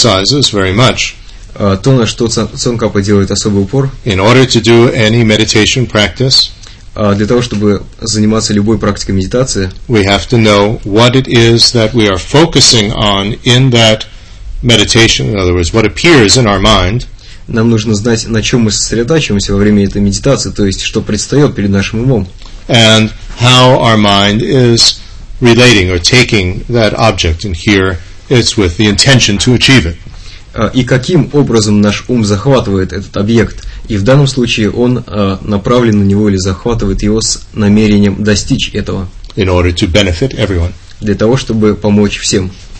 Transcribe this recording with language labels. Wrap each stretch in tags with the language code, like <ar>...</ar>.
<ru>То, на что Цонкапа делает особый упор,</ru> <en>in order to do any meditation practice,</en> <ru>для того, чтобы заниматься любой практикой медитации,</ru> <en>we have to know what it is that we are focusing on in that meditation, in other words, what appears in our mind.</en> <ru>Нам нужно знать, на чем мы сосредотачиваемся во время этой медитации, то есть, что предстает перед нашим умом.</ru> <en>And how our mind is relating or taking that object, and here it's with the intention to achieve it.</en> <ru>И каким образом наш ум захватывает этот объект, и в данном случае он направлен на него или захватывает его с намерением достичь этого.</ru> <en>In order to benefit everyone.</en> <ru>Для того, чтобы помочь всем.</ru>